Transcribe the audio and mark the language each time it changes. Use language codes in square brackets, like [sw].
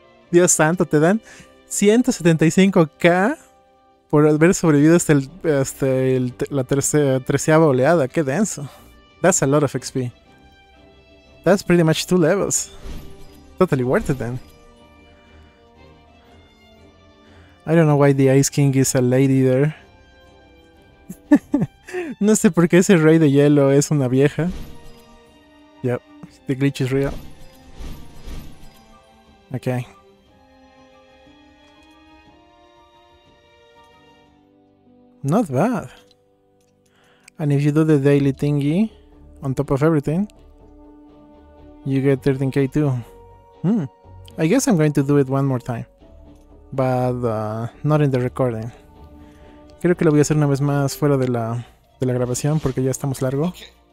[es] Dios santo, te dan 175k por haber sobrevivido hasta la treceava oleada. Qué denso. [en] That's a lot of XP. That's pretty much 2 levels. Totally worth it then. I don't know why the Ice King is a lady there. [es] No sé por qué ese rey de hielo es una vieja. [en] Yep, the glitch is real. Okay. Not bad. And if you do the daily thingy, on top of everything, you get 13k too. Hmm. I guess I'm going to do it one more time. But not in the recording. [es] Creo que lo voy a hacer una vez más fuera de la grabación porque ya estamos largo. Okay.